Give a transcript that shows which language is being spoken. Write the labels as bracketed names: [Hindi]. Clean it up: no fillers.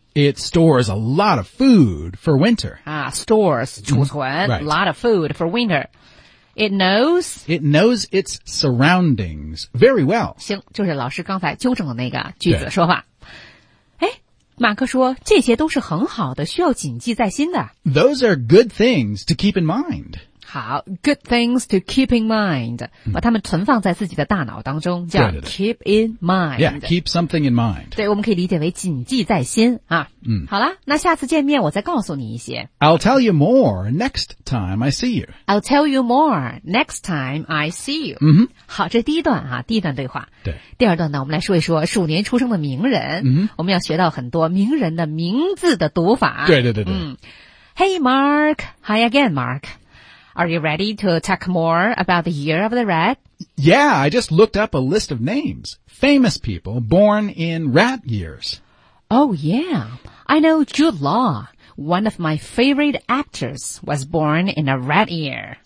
[English] It stores a lot of food for winter、 Stores, [Chinese] 储存、 [English] mm-hmm. right. A lot of food for winter It knows its surroundings very well [Chinese] 行就是老师刚才纠正的那个句子说话马克说这些都是很好的需要谨记在心的 [English] Those are good things to keep in mind [Chinese] 好 [English] good things to keep in mind [Chinese] 把它们存放在自己的大脑当中叫 [English] keep in mind yeah keep something in mind [Chinese] 对我们可以理解为谨记在心啊。好啦那下次见面我再告诉你一些 [English] I'll tell you more next time I see you I'll tell you more next time I see you、 mm-hmm. [Chinese] 好这第一段啊，第一段对话对第二段呢我们来说一说鼠年出生的名人、 mm-hmm. 我们要学到很多名人的名字的读法对、 [English] Hey Mark Hi again MarkAre you ready to talk more about the year of the rat? Yeah, I just looked up a list of names. Famous people born in rat years. Oh, yeah. I know Jude Law, one of my favorite actors, was born in a rat year.